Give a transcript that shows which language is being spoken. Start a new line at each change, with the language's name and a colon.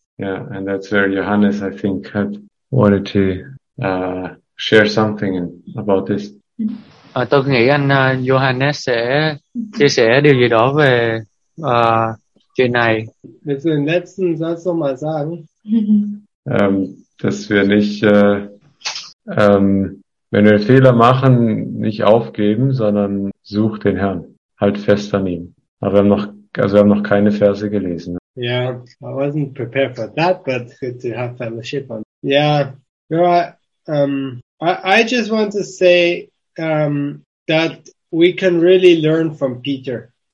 English: Yeah, and that's where Johannes, I think, had wanted to share something about this.
Vietnamese: Tôi nghĩ anh Johannes sẽ chia sẻ điều gì đó về chuyện này.
German: Willst du den letzten Satz noch mal sagen? Dass wir nicht, wenn wir Fehler machen, nicht aufgeben, sondern such den Herrn, halt fest an ihm. Aber wir haben noch keine Verse gelesen.
English: Yeah, I wasn't prepared for that, but good to have fellowship on. Yeah, you know, I just want to say that we can really learn from Peter.